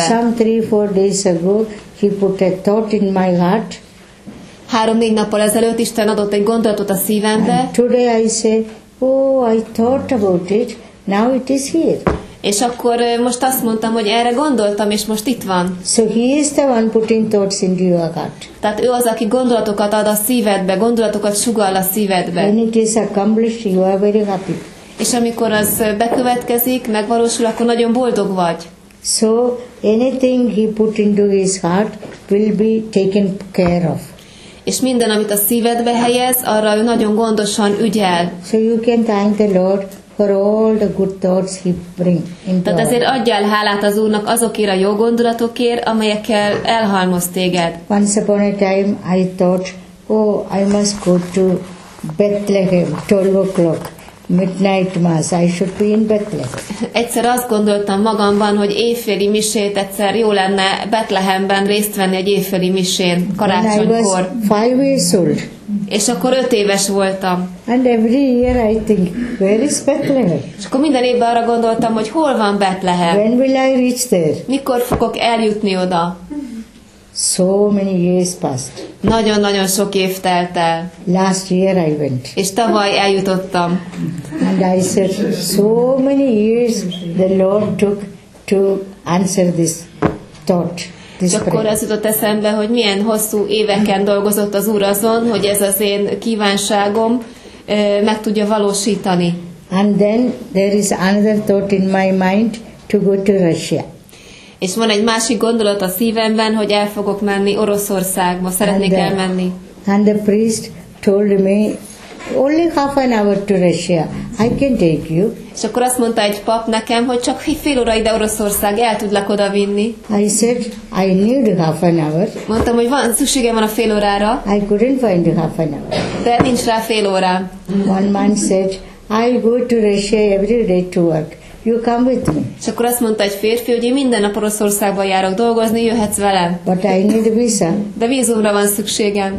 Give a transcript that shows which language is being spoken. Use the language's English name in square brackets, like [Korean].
[English] Some 3-4 days ago, he put a thought in my heart. [Hungarian] 3-4 nappal ezelőtt Isten adott egy gondolatot a szívembe. [English] And today I say, oh, I thought about it, now it is here. [Hungarian] És akkor most azt mondtam, hogy erre gondoltam, és most itt van. [English] So he is the one putting thoughts into your heart. [Hungarian] Tehát ő az, aki gondolatokat ad a szívedbe, gondolatokat sugall a szívedbe. [English] When it is accomplished, you are very happy. [Hungarian] És amikor az bekövetkezik, megvalósul, akkor nagyon boldog vagy. [English] So anything he put into his heart will be taken care of. [Hungarian] És minden, amit a szívedbe helyez, arra ő nagyon gondosan ügyel. [English] So you can thank the Lord for all the good thoughts he bring into. [Hungarian] Tehát azért adjál hálát az Úrnak azokért a jó gondolatokért, amelyekkel elhalmoz téged. [English] Once upon a time I thought, oh, I must go to Bethlehem, 12 o'clock, midnight mass, I should be in Bethlehem. [Hungarian] Egyszer azt gondoltam magamban, hogy éjféli misét egyszer jó lenne Betlehemben részt venni egy éjféli misén karácsonykor. [English] When I was 5 years old. [Hungarian] És akkor 5 éves voltam. [English] And every year I think, where is Bethlehem? [Hungarian] És akkor minden évben arra gondoltam, hogy hol van Bethlehem? [English] When will I reach there? [Hungarian] Mikor fogok eljutni oda? [English] So many years passed. [Hungarian] Nagyon-nagyon sok év telt el. [English] Last year I went. [Hungarian] És tavaly eljutottam. [English] And I said, so many years the Lord took to answer this thought. [Hungarian] És akkor az jutott eszembe, hogy milyen hosszú éveken dolgozott az Úr azon, hogy ez az én kívánságom meg tudja valósítani. [English] And then there is another thought in my mind to go to Russia. [Hungarian] És van egy másik gondolat a szívemben, hogy el fogok menni Oroszországba, szeretnék elmenni. [English] And the priest told me, only half an hour to Russia, I can take you. [Hungarian] És akkor azt mondta egy pap nekem, hogy csak fél óra ide Oroszország, el tudlak oda vinni. [English] I said, I need half an hour. [Hungarian] Mondtam, hogy van, szükségem van a fél órára. [English] I couldn't find half an hour. [Hungarian] De nincs rá fél óra. [English] One man said, I go to Russia every day to work. You come with me. [Hungarian] És akkor azt mondta egy férfi, hogy én minden nap Oroszországba járok dolgozni, jöhetsz velem. [English] But I need a visa. [Hungarian] De vízumra van szükségem.